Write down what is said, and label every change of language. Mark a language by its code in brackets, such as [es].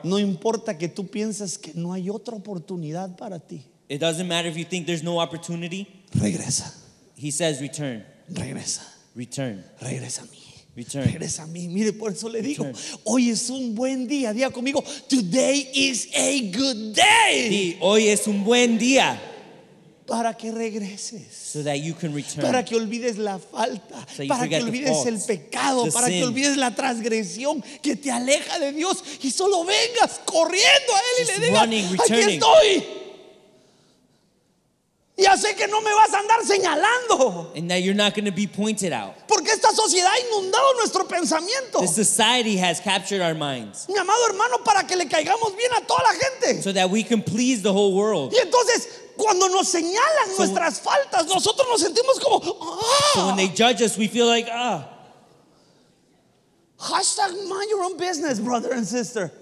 [es] No importa que tú pienses que no hay otra oportunidad para ti. [en] It doesn't matter if you think there's no opportunity. [es] Regresa. [en] He says, return. [es] Regresa. [en] Return. [es] Regresa a mí. [en] Return. [es] Regresa a mí. Mire, por eso le digo, hoy es un buen día. Día conmigo. [en] Today is a good day. [es] Sí, hoy es un buen día. Para que regreses. [en] So that you can return. [es] Para que olvides la falta. [en] So [es] para que olvides el pecado. Para [en] sin. [es] Que olvides la transgresión que te aleja de Dios. Y solo vengas corriendo a Él. [en] Just [es] y le digas, [en] running, [es] aquí estoy. Ya sé que no me vas a andar señalando. [en] And that you're not going to be pointed out. [es] Porque esta sociedad ha inundado nuestro pensamiento. [en] This society has captured our minds. [es] Mi amado hermano, para que le caigamos bien a toda la gente. [en] So that we can please the whole world. [es] Y entonces, cuando nos señalan so, nuestras faltas, nosotros nos sentimos como, [en] So when they judge us, we feel like, Hashtag mind your own business, brother and sister.